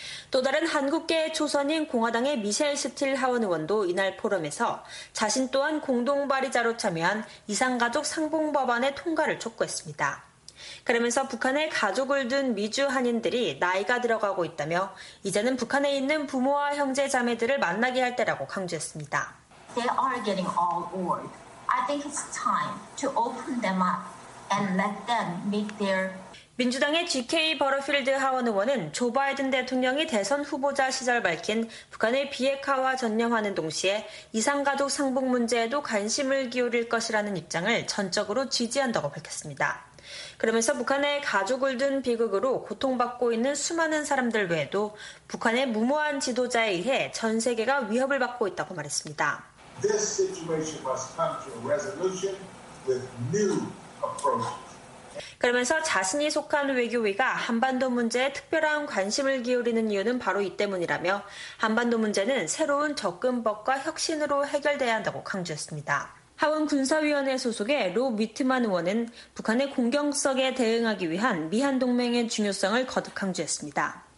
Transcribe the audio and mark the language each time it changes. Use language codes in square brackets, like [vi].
[ko] 또 다른 한국계 초선인 공화당의 미셸 스틸 하원 의원도 이날 포럼에서 자신 또한 공동 발의자로 참여한 이산가족 상봉 법안의 통과를 촉구했습니다. 그러면서 북한에 가족을 둔 미주 한인들이 나이가 들어가고 있다며 이제는 북한에 있는 부모와 형제 자매들을 만나게 할 때라고 강조했습니다. [en] They are getting all old. I think it's time to open them up and let them make their [ko] 민주당의 GK 버러필드 하원 의원은 조 바이든 대통령이 대선 후보자 시절 밝힌 북한의 비핵화와 전념하는 동시에 이산가족 상봉 문제에도 관심을 기울일 것이라는 입장을 전적으로 지지한다고 밝혔습니다. 그러면서 북한의 가족을 둔 비극으로 고통받고 있는 수많은 사람들 외에도 북한의 무모한 지도자에 의해 전 세계가 위협을 받고 있다고 말했습니다. [en] This situation must come to a resolution with new approaches. [ko] 그러면서 자신이 속한 외교위가 한반도 문제에 특별한 관심을 기울이는 이유는 바로 이 때문이라며 한반도 문제는 새로운 접근법과 혁신으로 해결돼야 한다고 강조했습니다. 하원 군사위원회 소속의 로 위트만 의원은 북한의 공격성에 대응하기 위한 미한동맹의 중요성을 거듭 강조했습니다.